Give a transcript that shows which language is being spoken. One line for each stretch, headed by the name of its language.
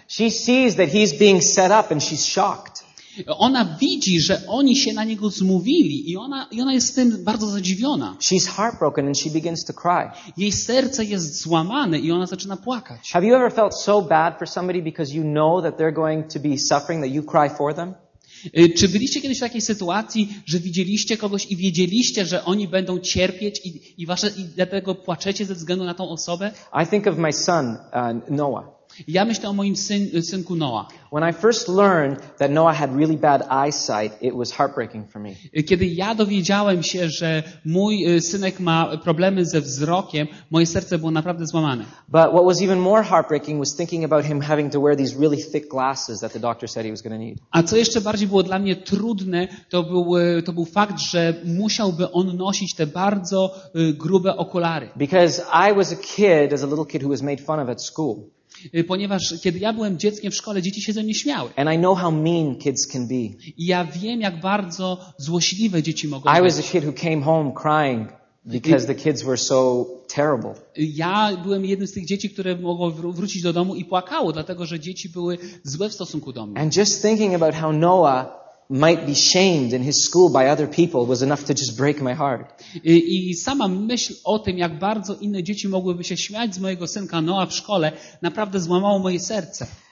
English: She sees that he's being set up and she's shocked.
Polish: Ona widzi, że oni się na niego zmówili i ona jest z tym bardzo zadziwiona.
English: She's heartbroken and she begins to cry.
Polish: Jej serce jest złamane i ona zaczyna płakać.
English: Have you ever felt so bad for somebody because you know that they're going to be suffering that you cry for them?
Polish: Czy byliście kiedyś w takiej sytuacji, że widzieliście kogoś i wiedzieliście, że oni będą cierpieć i dlatego płaczecie ze względu na tą osobę?
English: I think of my son, Noah.
Polish: Ja myślę o moim synku Noah.
English: When I first learned that Noah had really bad eyesight, it was heartbreaking for me.
Polish: Kiedy ja dowiedziałem się, że mój synek ma problemy ze wzrokiem, moje serce było naprawdę złamane.
English: But what was even more heartbreaking was thinking about him having to wear these really thick glasses that the doctor said he was going to need.
Polish: A co jeszcze bardziej było dla mnie trudne, to był fakt, że musiałby on nosić te bardzo grube okulary.
English: Because I was a kid, as a little kid who was made fun of at school.
Polish: Ponieważ kiedy ja byłem dzieckiem w szkole, dzieci się ze mnie śmiały.
English: And I know how mean kids can be.
Polish: I ja wiem, jak bardzo złośliwe dzieci mogą być.
English: I was a kid who came home crying because the kids were so terrible.
Polish: Ja byłem jednym z tych dzieci, które mogło wrócić do domu i płakało, dlatego że dzieci były złe w stosunku do mnie.
English: And just thinking about how Noah might be shamed in his school by other people was enough to just break my heart.
Polish: I sama myśl o tym, jak bardzo inne dzieci mogłyby się śmiać z mojego synka Noa w szkole, naprawdę złamało moje serce.